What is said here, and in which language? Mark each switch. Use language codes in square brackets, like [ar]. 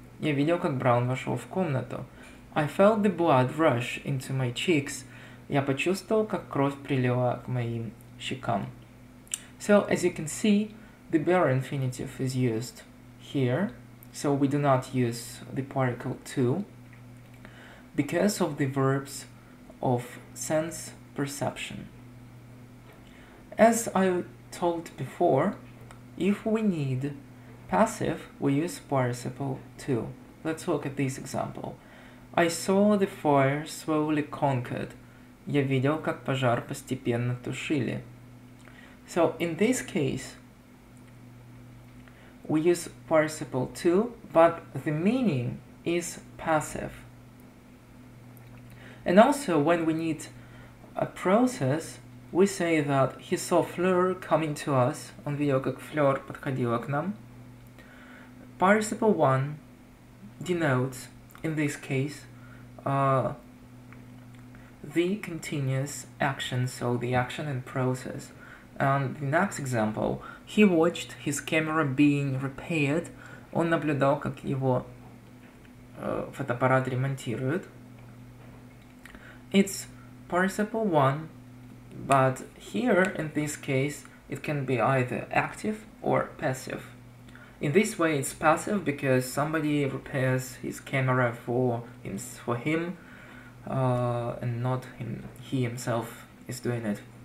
[ru] Я видел, как Браун вошел в комнату. [en] I felt the blood rush into my cheeks. [ru] Я почувствовал, как кровь прилила к моим щекам. [en] So, as you can see, the bare infinitive is used here, so we do not use the particle to, because of the verbs of sense perception. As I told before, if we need passive, we use participle to. Let's look at this example. I saw the fire slowly conquered. [ru] Я видел, как пожар постепенно тушили. [en] So, in this case, we use participle to, but the meaning is passive. And also, when we need a process, we say that he saw Fleur coming to us. [ru] Он видел, как Fleur подходила к нам. [en] Participle 1 denotes, in this case, the continuous action, so the action and process. And the next example, he watched his camera being repaired. [ru] Он наблюдал, как его фотоаппарат ремонтируют. [en] It's participle 1, but here, in this case, it can be either active or passive. In this way, it's passive because somebody repairs his camera for him. And not him, he himself is doing it.